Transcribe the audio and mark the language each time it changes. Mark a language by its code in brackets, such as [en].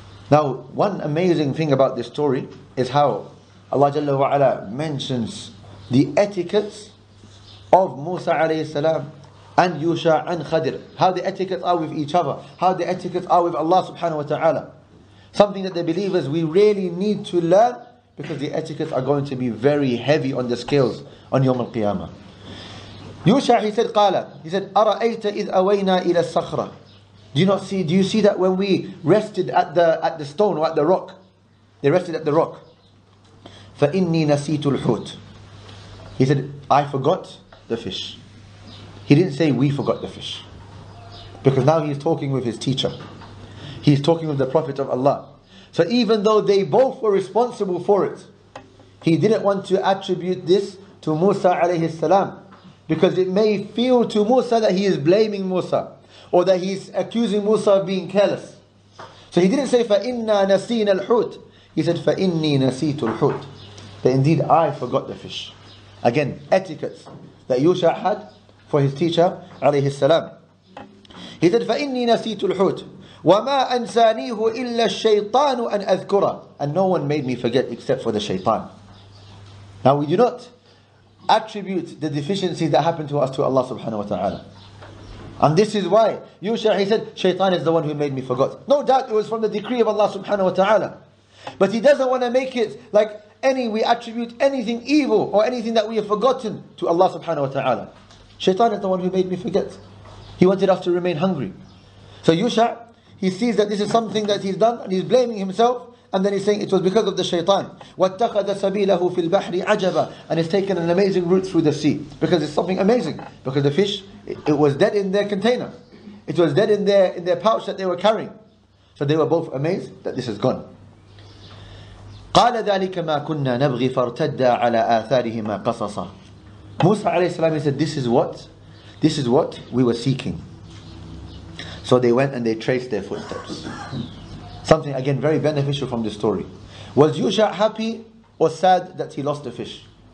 [en] Now, one amazing thing about this story is how Allah Jalla wa Ala mentions the etiquettes of Musa alayhi salam and Yusha and Khadir. How the etiquettes are with each other. How the etiquettes are with Allah subhanahu wa ta'ala. Something that the believers, we really need to learn, because the etiquettes are going to be very heavy on the scales on Yawm al-Qiyamah. Yusha, he said, [ar] قَالَ. [en] He said, [ar] أَرَأَيْتَ إِذْ أَوَيْنَا إِلَى الصَّخْرَةِ. [en] Do you see that when we rested at the stone or at the rock? They rested at the rock. [ar] فَإِنِّي نَسِيتُ الْحُوتِ. [en] He said, I forgot the fish. He didn't say, we forgot the fish. Because now he's talking with his teacher. He's talking with the Prophet of Allah. So even though they both were responsible for it, he didn't want to attribute this to Musa alayhi salam. Because it may feel to Musa that he is blaming Musa, or that he's accusing Musa of being careless. So he didn't say, [ar] فَإِنَّا نَسِينَ الْحُوتِ. [en] He said, [ar] فَإِنِّي نَسِيتُ الْحُوتِ. [en] That indeed I forgot the fish. Again, etiquettes that Yusha had for his teacher, alayhi salam. He said, [ar] فَإِنِّي نَسِيتُ الْحُوتِ وَمَا أَنْسَانِيهُ إِلَّا الشَّيْطَانُ أَنْ أَذْكُرَ. [en] And no one made me forget except for the shaytan. Now we do not attribute the deficiencies that happened to us to Allah subhanahu wa ta'ala. And this is why Yusha, he said, shaytan is the one who made me forget. No doubt it was from the decree of Allah subhanahu wa ta'ala. But he doesn't want to make it like we attribute anything evil or anything that we have forgotten to Allah subhanahu wa ta'ala. Shaitan is the one who made me forget. He wanted us to remain hungry. So Yusha, he sees that this is something that he's done and he's blaming himself. And then he's saying it was because of the shaitan. [ar] وَاتَّخَذَ سَبِيلَهُ فِي الْبَحْرِ عَجَبًا. [en] And it's taken an amazing route through the sea. Because it's something amazing. Because the fish, it was dead in their container. It was dead in their pouch that they were carrying. So they were both amazed that this is gone. [ar] قال ذلك ما كنا نبغي فارتدى على آثارهما قصصا. [en] Musa alayhi salam, he said, this is what we were seeking. So they went and they traced their footsteps. Something again very beneficial from this story. Was Yusha happy or sad that he lost the fish?